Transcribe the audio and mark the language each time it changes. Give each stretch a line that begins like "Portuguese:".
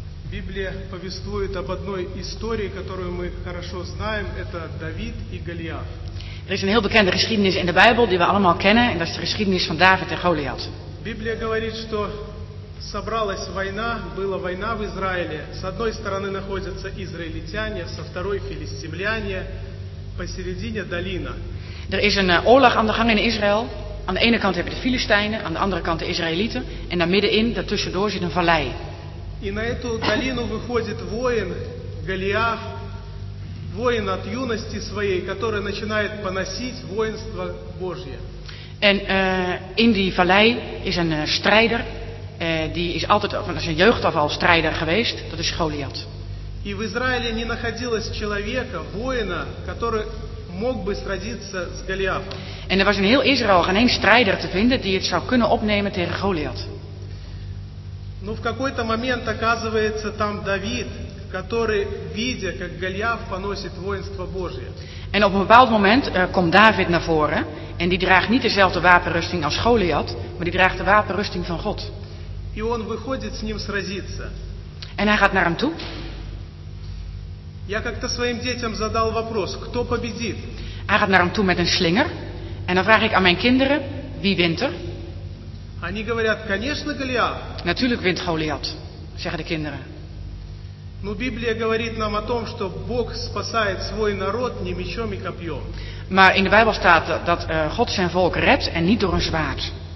Russian: Библия повествует об одной истории, которую мы хорошо знаем, это Давид и Голиаф.
Dutch: Er is een heel bekende geschiedenis in de Bijbel die we allemaal kennen, en dat is de geschiedenis van David en Goliath.
Russian: Библия говорит, что собралась война, была война в Израиле. С одной стороны находятся израильтяне, со второй филистимляне, посередине долина.
Dutch: Er is een oorlog aan de gang in Israël. Aan de ene kant heb je de Filistijnen, aan de andere kant de Israëlieten. En daar middenin, daartussendoor, zit een vallei.
Russian: И на эту долину выходит воин Голиаф, воин от юности своей, который начинает поносить воинство Божье.
Dutch: En in die vallei is een strijder, die is altijd van zijn jeugd af al strijder geweest, dat is Goliath.
Russian: И в Израиле не находилось человека, воина, который мог бы сразиться с Голиафом.
Dutch: En er was in heel Israël geen één strijder te vinden die het zou kunnen opnemen tegen Goliath.
Russian: Но в какой-то момент оказывается там Давид, который видя, как Голиаф поносит воинство Божие.
Dutch: En op een bepaald moment komt David naar voren en die draagt niet dezelfde wapenrusting als Goliath, maar die draagt de wapenrusting van God.
Russian: И он выходит с ним сразиться.
Dutch: En hij gaat naar hem toe.
Russian: Я как-то своим детям задал вопрос: кто победит?
Dutch: Hij gaat naar hem toe met een slinger. En dan vraag ik aan mijn kinderen: wie wint er?
Russian: Они говорят: конечно, Голиаф.
Dutch: Natuurlijk wint Goliath, zeggen de kinderen.
Russian: Но Библия говорит нам о том, что Бог спасает свой народ не мечом и копьем.
Dutch: Maar in de Bijbel staat dat God zijn volk redt en niet door een zwaard.